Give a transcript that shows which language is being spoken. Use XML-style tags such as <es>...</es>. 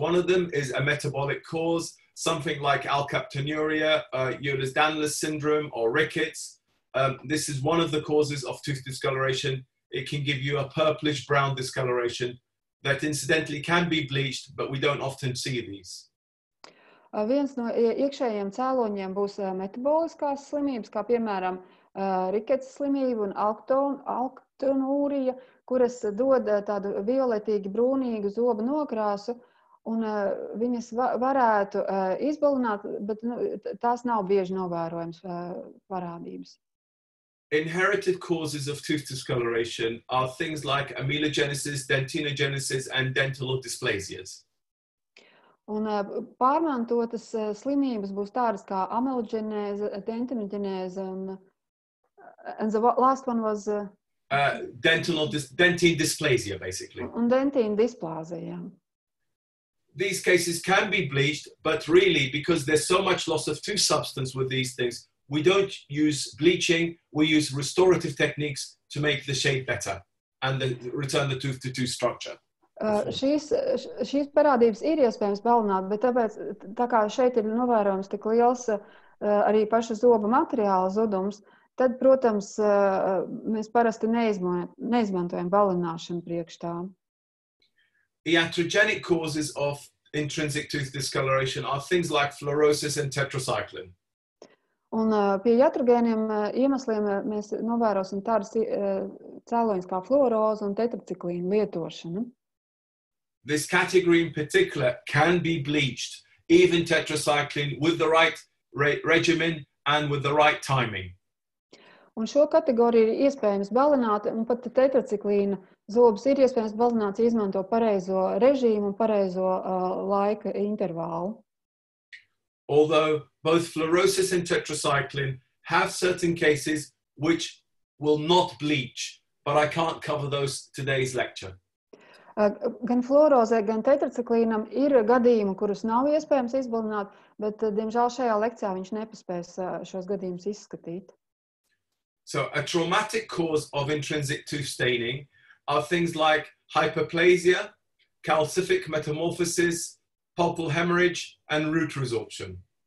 <en>One of them is a metabolic cause, something like alkaptonuria, Ehlers-Danlos syndrome, or rickets. This is one of the causes of tooth discoloration. It can give you a purplish-brown discoloration that incidentally can be bleached, but we don't often see these.</en> <lv>Viens no iekšējiem cēloņiem būs metaboliskās slimības, kā piemēram rickets slimība un alkaptonuria, kuras dod tādu violetīgi brūnīgu zobu nokrāsu, un viņas varētu izbalināt, bet nu, tās nav bieži novērojams parādības.</lv> <en>Inherited causes of tooth discoloration are things like amelogenesis, dentinogenesis, and dental dysplasias.</en> <lv>Un pārmantotas slimības būs tādas kā amelogenēze, dentinogenēze,</lv> <en>and the last one was... Dentine dysplasia, basically.</en> <lv>Un dentine dysplasia, yeah.</lv> <en>These cases can be bleached, but really, because there's so much loss of tooth substance with these things, we don't use bleaching, we use restorative techniques to make the shape better and then return the tooth to tooth structure.</en> <lv>Šīs parādības ir iespējams balināt, bet tāpēc, tā kā šeit ir novērojams tik liels arī paša zoba materiāla zudums, tad, protams, mēs parasti neizmantojam balināšanu priekštā.</lv> <en>Iatrogenic causes of intrinsic tooth discoloration are things like fluorosis and tetracycline.</en> <lv>Un pie iatrogēniem iemesliem mēs novērosim tādas cēloņas kā fluoroze un tetracikliņu lietošana.</lv> <en>This category in particular can be bleached, even tetracycline, with the right regimen and with the right timing.</en> <lv>Un šo kategoriju ir iespējams balināt, un pat tetraciklīna zobus ir iespējams balināt, izmanto pareizo režīmu un pareizo laika intervālu.</lv> <en>Although both fluorosis and tetracycline have certain cases which will not bleach, but I can't cover those today's lecture.</en> <lv>Gan fluorozē, gan tetraciklīnam ir gadījumi, kurus nav iespējams izbalināt, bet, diemžēl, šajā lekcijā viņš nepaspēs šos gadījumus izskatīt.</lv> <en>So a traumatic cause of intrinsic tooth staining are things like hyperplasia, calcific metamorphosis, pulpal hemorrhage, and root resorption.</en>